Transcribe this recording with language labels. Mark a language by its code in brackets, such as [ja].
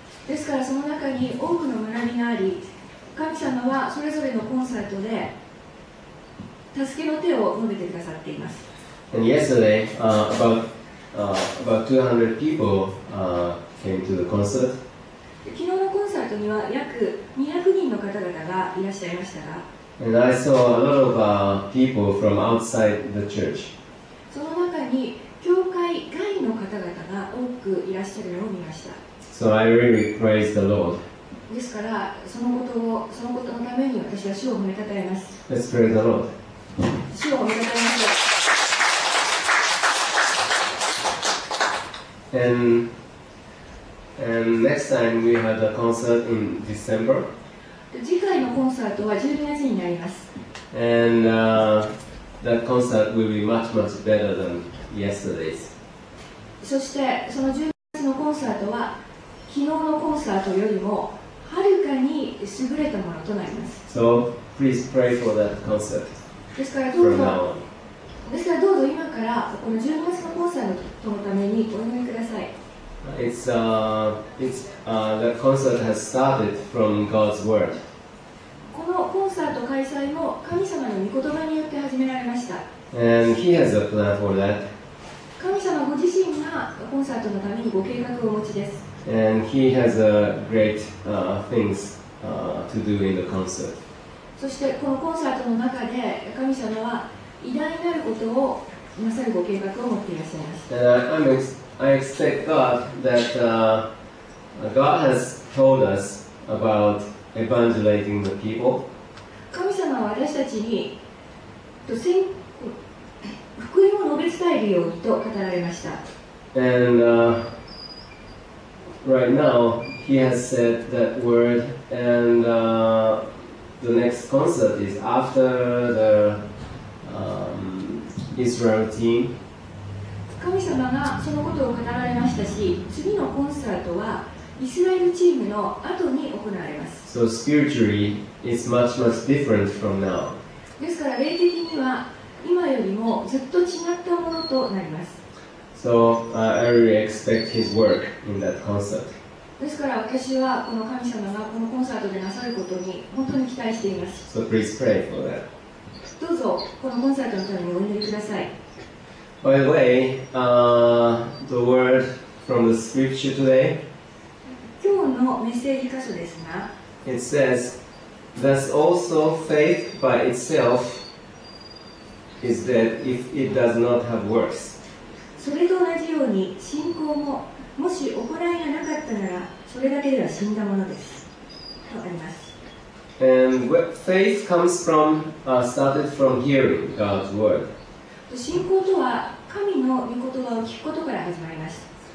[ja] ですからその中に多くの学びがあり、神様はそれぞれのコンサートで助けの手を伸べてくださっています。 [en] And yesterday, about About 200 people came to the concert. [ja] 昨日のコンサートには約200人の方々がいらっしゃいましたが、 [en] And I saw a lot of people from outside the church. [ja] その中に教会外の方々が多くいらっしゃるのを見ました。 [en] So I really praise the Lord. [ja] ですから、そのことのために私は主を褒めたたえます。 [en] Let's praise the Lord. [ja] 主を褒めたたえます。 [en] And next time we have a concert in December. [ja] 次回のコンサートは12月になります。 [en] And that concert will be much, much better than yesterday's. [ja] そしてその12月のコンサートは昨日のコンサートよりもはるかに優れたものとなります。 [en] So please pray for that concert. [ja] ですからどうぞ。ですからどうぞ今からこの12月のコンサートのためにお祈りください。 [en] The concert has started from God's word. [ja] このコンサート開催も神様の御言葉によって始められました。 [en] And he has a plan for that. [ja] 神様ご自身がコンサートのためにご計画をお持ちです。 [en] And he has a great things to do in the concert. [ja] そしてこのコンサートの中で神様は偉大なることをなさるご計画を持っていらっしゃいます。 [en] I expect God that God has told us about evangelizing the people. [ja] 神様は私たちに福音を述べ伝えるようにと語られました。 [en] And right now He has said that word, and the next concert is after the Israel team. [ja] 神様がそのことを語られましたし、次のコンサートはイスラエルチームの後に行われます。 [en] So spiritually, it's much, much different from now. [ja] ですから、霊的には今よりもずっと違ったものとなります。 [en] So I really expect his work in that concert. [ja] ですから、私はこの神様がこのコンサートでなさることに本当に期待しています。 [en] So please pray for that. [ja] どうぞ、このコンサートのためにお祈りください。 [en] By the way, the word from the scripture today, [ja] 今日のメッセージ箇所ですが、 [en] it says, thus also faith by itself is dead if it does not have works. [ja] それと同じように信仰も、もし行いがなかったなら、それだけでは死んだものです。とあります。 [en] And faith comes from, started from hearing God's word. [ja] 信仰とは、神の御言葉を聞くことから始まります。